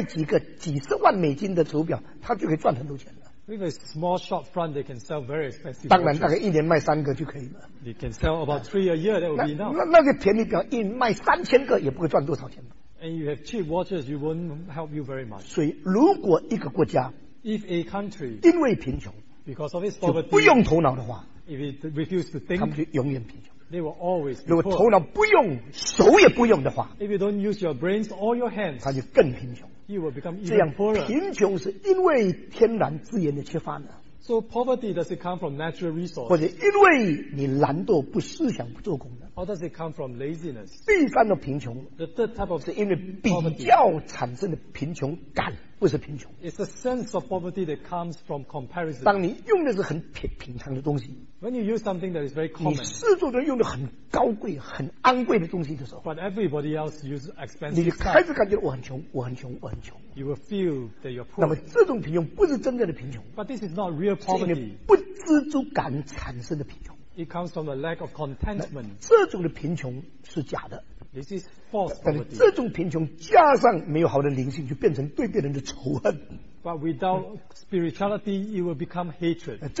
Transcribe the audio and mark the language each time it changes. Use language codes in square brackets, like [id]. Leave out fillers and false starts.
[zh] 他们呢可以用小小的店铺卖几个几十万美金的手表， 他就可以赚很多钱。 [en] With a small shop front, they can sell very expensive. [zh] 当然，大概一年卖三个就可以了。 [en] They can sell about three a year. That would be enough. [zh] 那个便宜表一卖3000个也不会赚多少钱。 [en] And you have cheap watches, you won't help you very much. [zh] 所以，如果一个国家 [en] if a country [zh] 因为贫穷 [en] because of its poverty [zh] 就不用头脑的话 [en] if it refuses to think [zh] 他们就永远贫穷。 [en] They will always be poor. [zh] 如果头脑不用 手也不用的话 [en] if you don't use your brains or your hands [zh] 他就更贫穷。 [en] You will become even poorer. [zh] 这样贫穷是因为天然资源的缺乏呢？ [en] So poverty, does it come from natural resources? [zh] 或者因为你懒惰不思想不做工呢？ [en] Or does it come from laziness? [zh] 第三种贫穷， [en] The third type of [zh] 是因为比较产生的贫穷感，不是贫穷。 [en] It's a sense of poverty that comes from comparison. [zh] 当你用的是很平常的东西， [en] When you use something that is very common, [zh] 你四周的用的很高贵、很昂贵的东西的时候， [en] But everybody else uses expensive [zh] stuff, 你就开始感觉我很穷。 [en] You will feel that you're poor. [zh] 那么这种贫穷不是真正的贫穷， [en] But this is not real poverty. [zh] 是因为不知足感产生的贫穷。 [en] It comes from a lack of contentment. [zh] 这种的贫穷是假的。 [en] This is false poverty. [zh] 但是这种贫穷加上没有好的灵性， 就变成对别人的仇恨。 [en] But without spirituality, it will become hatred.